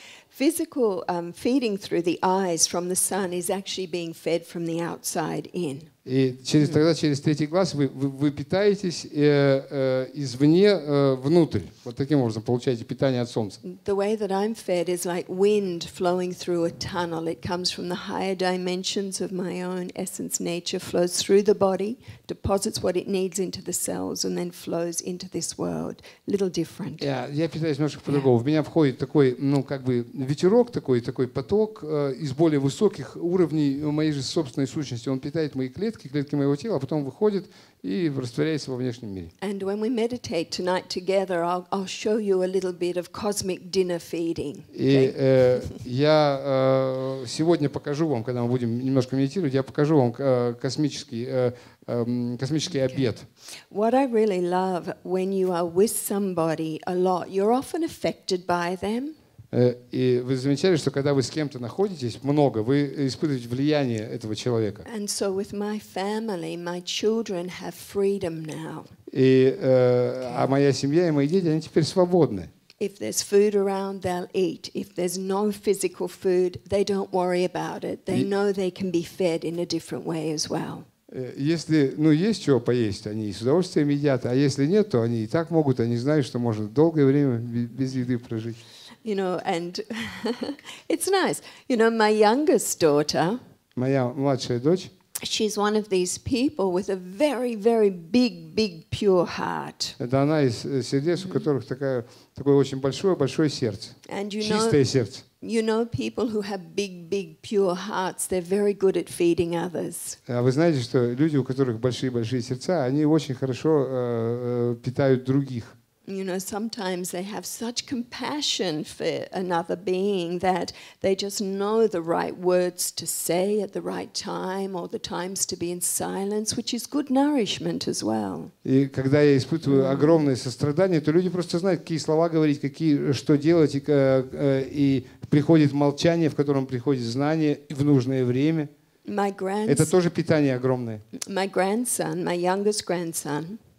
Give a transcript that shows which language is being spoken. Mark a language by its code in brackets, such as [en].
[en] Physical feeding through the eyes from the sun is actually being fed from the outside in. [ru] И через, тогда через третий глаз вы питаетесь извне внутрь. Вот таким образом получаете питание от солнца. [en] The way that I'm fed is like wind flowing through a tunnel. It comes from the higher dimensions of my own essence nature, flows through the body, deposits what it needs into the cells, and then flows into this world. Little different. [ru] Я питаюсь немножко по-другому. Yeah. В меня входит такой, ну, как бы ветерок такой поток из более высоких уровней моей же собственной сущности. Он питает мои клетки. Клетки моего тела, а потом выходит и растворяется во внешнем мире. [en] And when we meditate tonight together, I'll show you a little bit of cosmic dinner feeding. [ru] И я сегодня покажу вам, когда мы будем немножко медитировать, я покажу вам космический обед. [en] What I really love when you are with somebody a lot, you're often affected by them. [ru] И вы замечали, что когда вы с кем-то находитесь много, вы испытываете влияние этого человека. [en] And so with my family, my children have freedom now. [ru] А моя семья и мои дети, они теперь свободны. [en] If there's food around, they'll eat. If there's no physical food, they don't worry about it. They know they can be fed in a different way as well. [ru] Если, ну, есть чего поесть, они с удовольствием едят, а если нет, то они и так могут, они знают, что можно долгое время без еды прожить. [en] You know, and it's nice. You know, my youngest daughter. [ru] Моя младшая дочь. [en] She's one of these people with a very, very big, big pure heart. [ru] Это одна из сердец, у которых такое очень большое сердце. [en] And you [ru] чистое сердце. [en] You know people who have big, big, pure hearts, they're very good at feeding others. [ru] А вы знаете, что люди, у которых большие сердца, они очень хорошо питают других. [en] You know, sometimes they have such compassion for another being that they just know the right words to say at the right time or the times to be in silence, which is good nourishment as well. [ru] И когда я испытываю огромное сострадание, то люди просто знают, какие слова говорить, какие что делать, и приходит молчание, в котором приходит знание в нужное время. Это тоже питание огромное. [en] My grandson, my youngest grandson.